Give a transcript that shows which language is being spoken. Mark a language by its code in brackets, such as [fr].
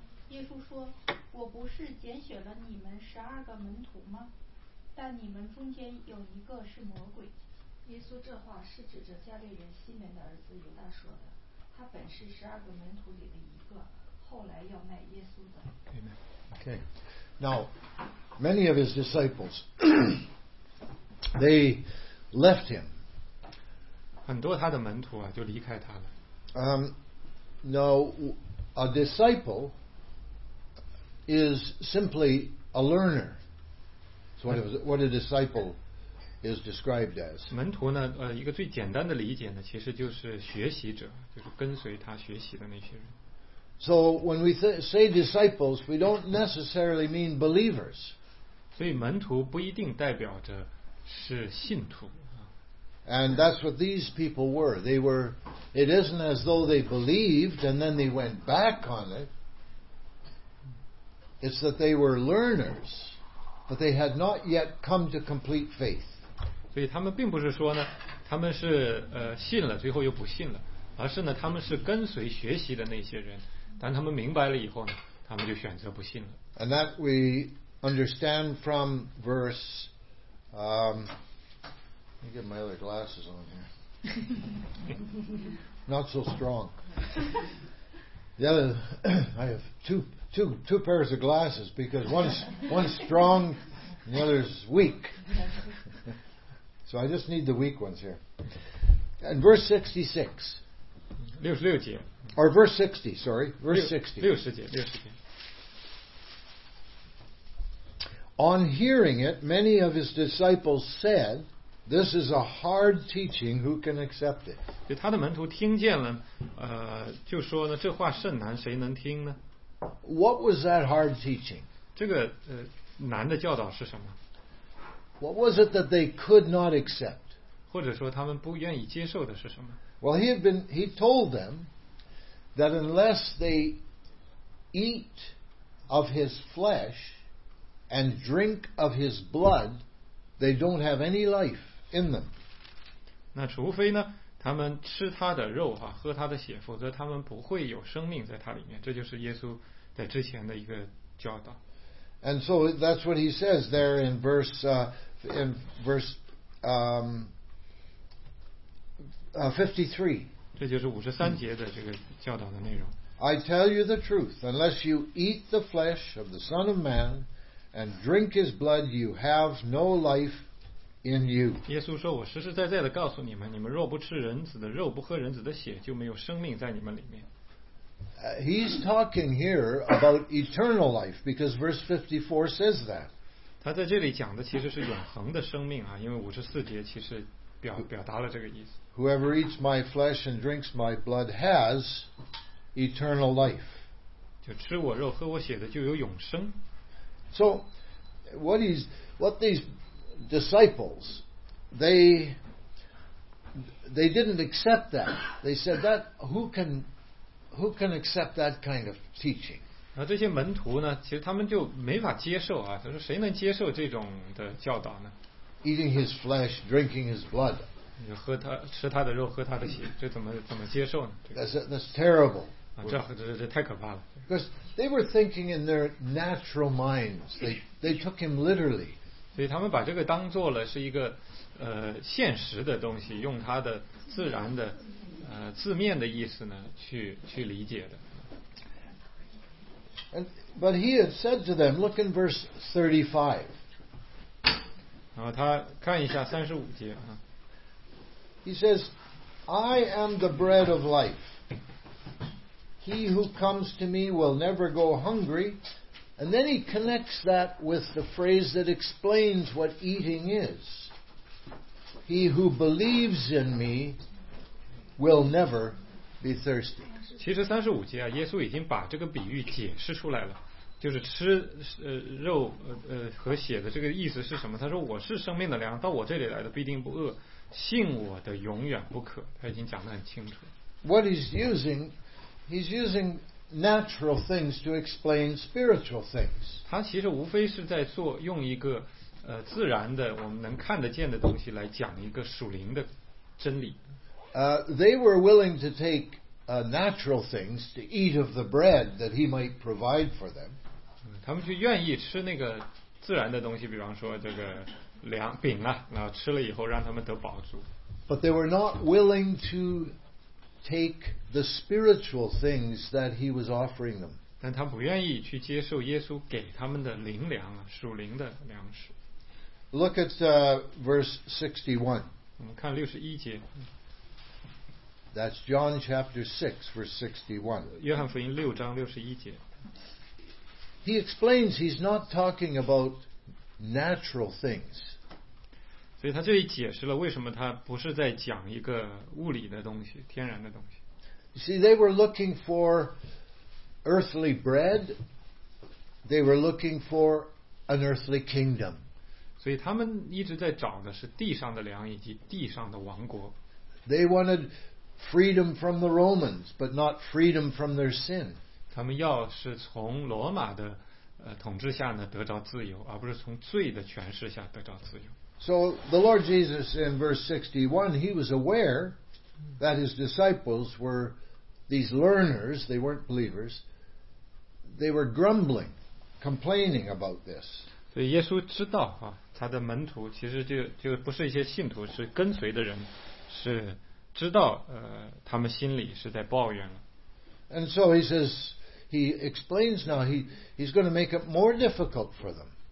[zh] 耶稣说，我不是拣选了你们十二个门徒吗？但你们中间有一个是魔鬼。耶稣这话是指着加略人西门的儿子犹大说的，他本是十二个门徒里的一个，后来要卖耶稣的。 [en] Okay. Now, many of his disciples, they left him. [zh] 很多他的门徒就离开他了。 [en] Now, a disciple is simply a learner. So what a disciple is described as. [zh] 门徒呢，一个最简单的理解呢，其实就是学习者，就是跟随他学习的那些人。 [en] So when we say disciples, we don't necessarily mean believers. [zh] 所以门徒不一定代表着是信徒。 [en] And that's what these people were. They were, it isn't as though they believed and then they went back on it. It's that they were learners, but they had not yet come to complete faith. [zh] 所以他们并不是说呢，他们是信了，最后又不信了，而是呢，他们是跟随学习的那些人，但他们明白了以后呢，他们就选择不信了。 [en] And that we understand from verse, let me get my other glasses on here. Not so strong. The other, I have two pairs of glasses because one's strong and the other's weak. So I just need the weak ones here. And verse 66. [zh] 66节. [en] Or verse 60, sorry. Verse 60. [zh] 60节. [en] On hearing it, many of his disciples said, This is a hard teaching, who can accept it? [zh] 就他的门徒听见了，就说呢，这话甚难，谁能听呢？ [en] What was that hard teaching? [zh] 这个难的教导是什么？ [en] What was it that they could not accept? [zh] 或者说他们不愿意接受的是什么？ [en] Well, he told them that unless they eat of his flesh and drink of his blood, they don't have any life. In them. [zh] 那除非呢，他们吃他的肉啊，喝他的血，否则他们不会有生命在他里面。这就是耶稣在之前的一个教导。 [en] And so that's what he says there in verse 53. [zh] 这就是五十三节的这个教导的内容。 [en] I tell you the truth, unless you eat the flesh of the Son of Man and drink his blood, you have no life. In you. [zh] 耶稣说我实实在在地告诉你们你们若不吃人子的肉不喝人子的血就没有生命在你们里面 [en] He's talking here about eternal life because verse 54 says that [zh] 他在这里讲的其实是永恒的生命啊，因为54节其实 表达了这个意思 [en] Whoever eats my flesh and drinks my blood has eternal life [zh] 就吃我肉喝我血的就有永生 [en] So what these disciples they didn't accept that they said that who can accept that kind of teaching [zh] 那这些门徒呢其实他们就没法接受啊他说谁能接受这种的教导呢 [en] eating his flesh drinking his blood [zh] 就喝他吃他的肉喝他的血这怎么接受呢 [en] that's terrible [zh] 啊这太可怕了 [en] because they were thinking in their natural minds they took him literally [zh] 所以他们把这个当做了是一个现实的东西用它的自然的字面的意思呢去理解的 [en] But he had said to them look in verse 35 [zh] 然后他看一下35节 [en] He says I am the bread of life He who comes to me will never go hungryAnd then he connects that with the phrase that explains what eating is. He who believes in me will never be thirsty. [zh] 其实三十五节啊，耶稣已经把这个比喻解释出来了，就是吃肉和血的这个意思是什么？他说我是生命的粮，到我这里来的必定不饿，信我的永远不渴。他已经讲得很清楚。 [en] What he's using natural things to explain spiritual things. [zh] 他其实无非是在做用一个自然的我们能看得见的东西来讲一个属灵的真理。 [en] They were willing to take natural things to eat of the bread that he might provide for them. [zh] 他们就愿意吃那个自然的东西，比方说这个粮饼啊，然后吃了以后让他们得饱足。 [en] But they were not willing to. Take the spiritual things that he was offering them. [zh] 但他不愿意去接受耶稣给他们的灵粮啊，属灵的粮食。 [en] Look at verse 61. [zh] 我们看六十一节。 [en] That's John chapter 6, verse 61. [zh] 约翰福音六章六十一节。 [en] He explains he's not talking about natural things. [zh] 所以他这里解释了为什么他不是在讲一个物理的东西，天然的东西。 [en] You see, they were looking for earthly bread. They were looking for an earthly kingdom. [zh] 所以他们一直在找的是地上的粮以及地上的王国。 [en] They wanted freedom from the Romans, but not freedom from their sin. [zh] 他们要是从罗马的统治下呢得着自由，而不是从罪的权势下得着自由。 [en] So the Lord Jesus in verse 61, he was aware that his disciples were these learners, they weren't believers, they were grumbling, complaining about this. [zh] 所以耶稣知道啊，他的门徒其实就不是一些信徒，是跟随的人，是知道他们心里是在抱怨了。 [en] And so he says, he explains now, he's going to make it more difficult for them.